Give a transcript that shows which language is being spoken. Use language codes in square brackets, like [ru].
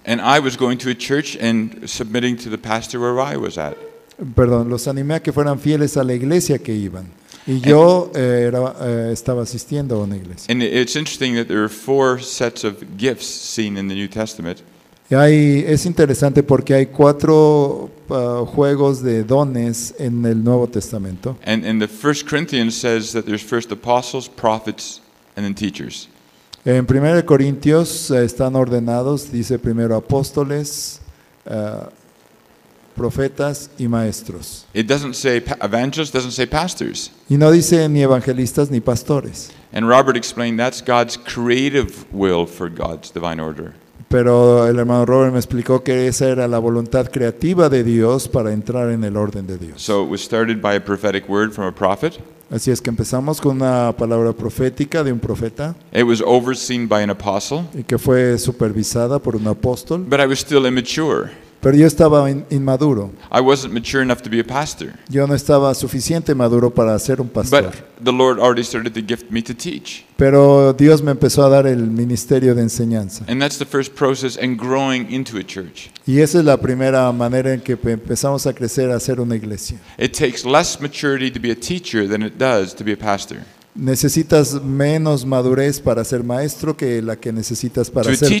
[en] And I was going to a church and submitting to the pastor where I was at. [es] Perdón, los animé a que fueran fieles a la iglesia que iban. Y yo estaba asistiendo a una iglesia. [en] And it's interesting that there are 4 sets of gifts seen in the New Testament. [es] Es interesante porque hay 4 juegos de dones en el Nuevo Testamento. [en] And the 1 Corinthians says that there's first apostles, prophets, and then teachers. [es] En 1 Corintios están ordenados, dice primero apóstoles, profetas y maestros. [en] It doesn't say evangelists, doesn't say pastors. [es] Y no dice ni evangelistas ni pastores. [en] And Robert explained that's God's creative will for God's divine order. [es] Pero el hermano Robert me explicó que esa era la voluntad creativa de Dios para entrar en el orden de Dios. [en] So it was started by a prophetic word from a prophet. [es] Así es que empezamos con una palabra profética de un profeta. [en] It was overseen by an apostle. [es] Y que fue supervisada por un apóstol. [en] But I was still immature. [es] Pero yo estaba inmaduro. [en] I wasn't mature enough to be a pastor. [es] Yo no estaba suficiente maduro para ser un pastor. [en] But the Lord already started to gift me to teach. [es] Pero Dios me empezó a dar el ministerio de enseñanza. [en] And that's the first process in growing into a church. [es] Y esa es la primera manera en que empezamos a crecer a ser una iglesia. [en] It takes less maturity to be a teacher than it does to be a pastor. [es] Necesitas menos madurez para ser maestro que la que necesitas para ser pastor.